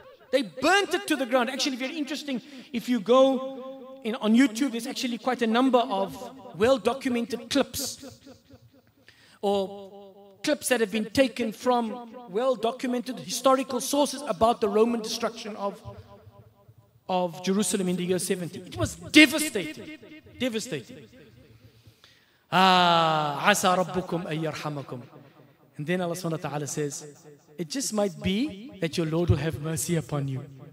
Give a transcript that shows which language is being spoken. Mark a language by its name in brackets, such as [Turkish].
[English] They burnt it to the ground. Actually, very interesting, if you go on YouTube, there's actually quite a number of well-documented clips. Or clips that have been taken from well-documented historical sources about the Roman destruction of Jerusalem in the year 70. It was devastating. Devastating. [Arabic] Ah, عَسَى رَبُّكُمْ أَن يَرْحَمَكُمْ. [English] And then Allah subhanahu wa ta'ala says, it just might be that your Lord will have mercy upon you.